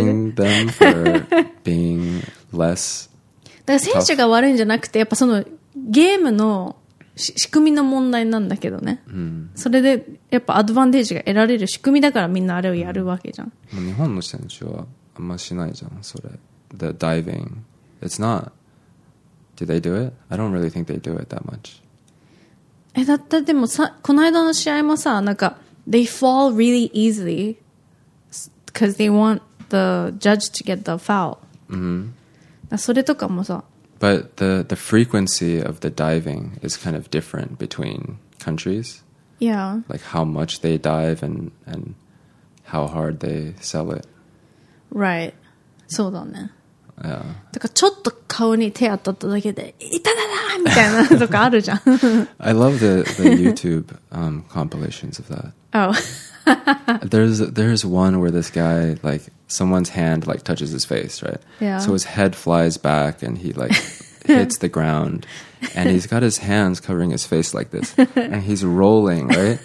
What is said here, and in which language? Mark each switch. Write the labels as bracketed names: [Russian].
[English] Are you judging them for being less? [Japanese] だから選手が悪いんじゃなくて、やっぱそのゲームの仕組みの問題なんだけどね。それでやっぱアドバンテージが得られる仕組みだからみんなあれをやるわけじゃん。もう日本の選手はあんましないじゃん、それ。 [English] The diving. It's not. Do they do it? I don't really think they do it that much. [Japanese] だってでもさ、この間の試合もさ、なんか、 [English] They fall really easily because they want the judge to get the foul. [Japanese] それとかもさ。 [English] But the frequency of the diving is kind of different between countries. Yeah. Like how much they dive and how hard they sell it. Right. [Japanese] そうだね。 [English] Yeah. [Japanese] だからちょっと顔に手当たっただけで、痛だだーみたいなとかあるじゃん。 [English] I love the YouTube compilations of that. Oh. there's one where this guy, like, someone's hand, like, touches his face, right? Yeah. So his head flies back and he, like, hits the ground. And he's got his hands covering his face like this. And he's rolling, right?